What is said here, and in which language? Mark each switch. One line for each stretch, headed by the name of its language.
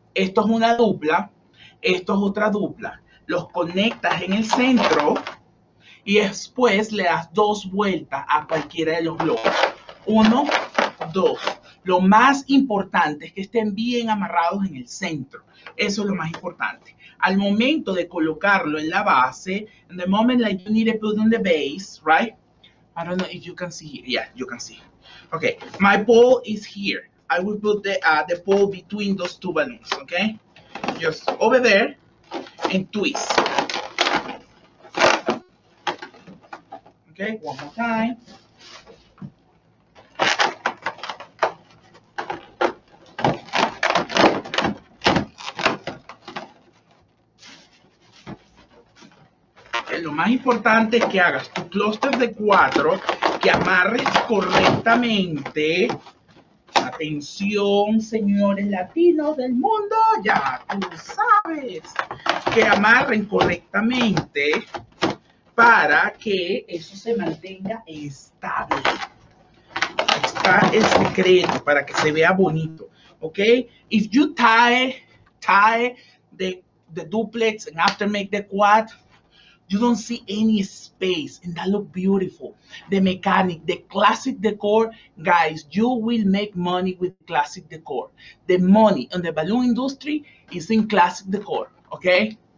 Spanish: Esto es una dupla, esto es otra dupla. Los conectas en el centro y después le das dos vueltas a cualquiera de los globos. Uno, dos. Lo más importante es que estén bien amarrados en el centro. Eso es lo más importante. Al momento de colocarlo en la base,
English: in the moment that you need to put on the base, right? I don't know if you can see here. Yeah, you can see. Okay, my pole is here. I will put the pole between those two balloons, okay? Just over there and twist. Okay, one more time.
Spanish: Lo más importante es que hagas tu clúster de cuatro, que amarres correctamente a Atención, señores latinos del mundo, ya tú sabes que amarren correctamente para que eso se mantenga estable. Está el secreto para que se vea bonito, ¿ok?
English: If you tie the duplex and after make the quad, you don't see any space, and that look beautiful. The mechanic, the classic decor, guys, you will make money with classic decor. The money in the balloon industry is in classic decor, okay?